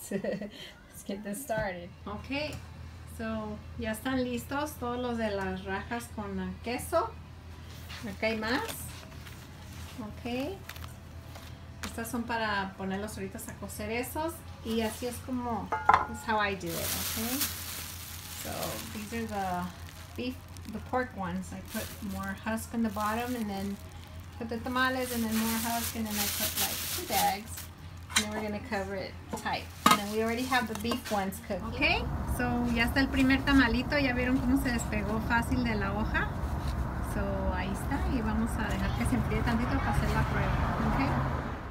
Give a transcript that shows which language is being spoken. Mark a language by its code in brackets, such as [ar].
[en] Let's get this started. Okay. [es] So, ya están listos todos los de las rajas con queso. Acá hay más. Ok. Estas son para ponerlos ahorita a cocer esos. Y así es como, [en] that's how I do it, okay? So, these are the beef, the pork ones. I put more husk in the bottom and then put the tamales and then more husk and then I put like 2 bags. And then we're gonna cover it tight. And then we already have the beef ones cooking. [es] Okay, so ya está el primer tamalito. Ya vieron cómo se despegó fácil de la hoja. So, ahí está. Y vamos a dejar que se enfríe tantito para hacer la prueba, okay?